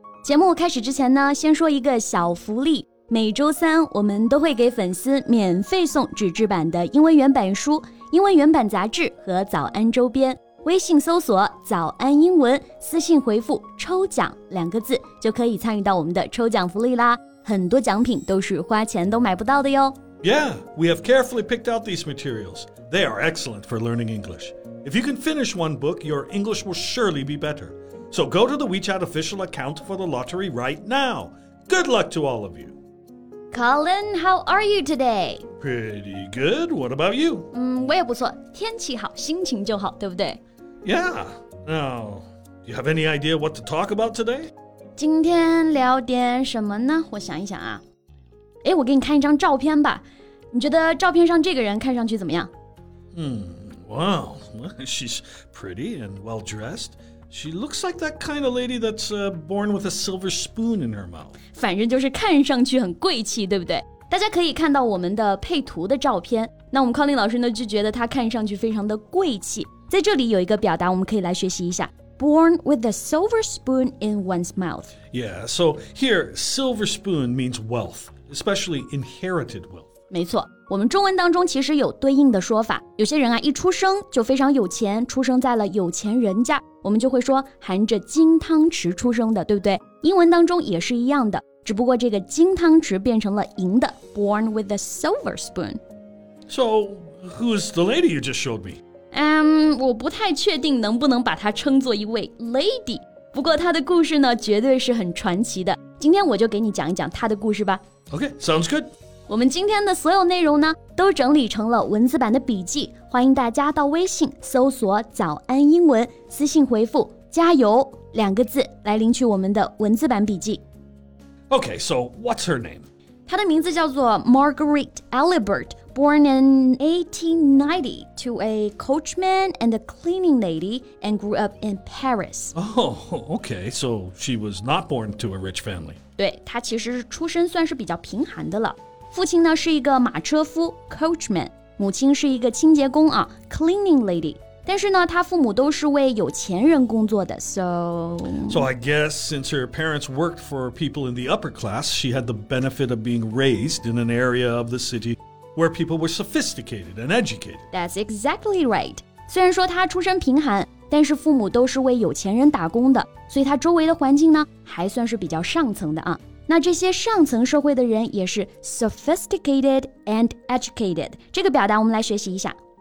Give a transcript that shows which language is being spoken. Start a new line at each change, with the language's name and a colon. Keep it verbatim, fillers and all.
Chinese: 节目开始之前呢，先说一个小福利。每周三我们都会给粉丝免费送纸质版的英文原版书、英文原版杂志和早安周边。微信搜索早安英文，私信回复抽奖两个字，就可以参与到我们的抽奖福利啦。很多奖品都是花钱都买不到的哟。
English: Yeah, we have carefully picked out these materials. They are excellent for learning English. If you can finish one book, your English will surely be better. So go to the WeChat official account for the lottery right now. Good luck to all of you. Colin, how are you today? Pretty good. What about you?
Chinese: 嗯，我也不错，天气好，心情就好，对不对？
English: Yeah. Now, do you have any idea what to talk about today?
Chinese: 今天聊点什么呢？我想一想啊。诶，我给你看一张照片吧。你觉得照片上这个人看上去怎么样？
English: 嗯 wow, she's pretty and well-dressed. She looks like that kind of lady that's、uh, born with a silver spoon in her mouth.
Chinese: 反正就是看上去很贵气，对不对？大家可以看到我们的配图的照片。那我们Colin老师呢，就觉得她看上去非常的贵气。在这里有一个表达，我们可以来学习一下。
English: Born with a silver spoon in one's mouth. Yeah, so here, silver spoon means wealth, especially inherited wealth.
Chinese: 没错，我们中文当中其实有对应的说法。有些人啊，一出生就非常有钱，出生在了有钱人家，我们就会说含着金汤匙出生的，对不对？英文当中也是一样的，只不过这个金汤匙变成了银的
English: born with a silver spoon. So, who's the lady you just showed me?
Chinese: 嗯、um, 我不太确定能不能把她称作一位 lady， 不过她的故事呢，绝对是很传奇的。今天我就给你讲一讲她的故事吧。
English: Okay, sounds good.
Chinese: 我们今天的所有内容呢，都整理成了文字版的笔记，欢迎大家到微信搜索早安英文，私信回复加油两个字来领取我们的文字版笔记。
English: Okay, so what's her name?
Chinese: 她的名字叫做 Margaret Alibert.
English: Born in eighteen ninety to a coachman and a cleaning lady and grew up in Paris. Oh, okay. So she was not born to a rich family.
Chinese: 对，她其实出身算是比较贫寒的了。父亲呢是一个马车夫 coachman， 母亲是一个清洁工啊 cleaning lady。但是呢，她父母都是为有钱人工作的 so...
English: So I guess since her parents worked for people in the upper class, she had the benefit of being raised in an area of the city. Where people were sophisticated and educated. That's exactly right.
Chinese: 虽然说他出身贫寒，但是父母都是为有钱人打工的，所以他周围的环境呢，还算是比较上层的啊。那这些上层社会的人也是
English: sophisticated and educated.
Chinese: 这个表达我们来学习一下。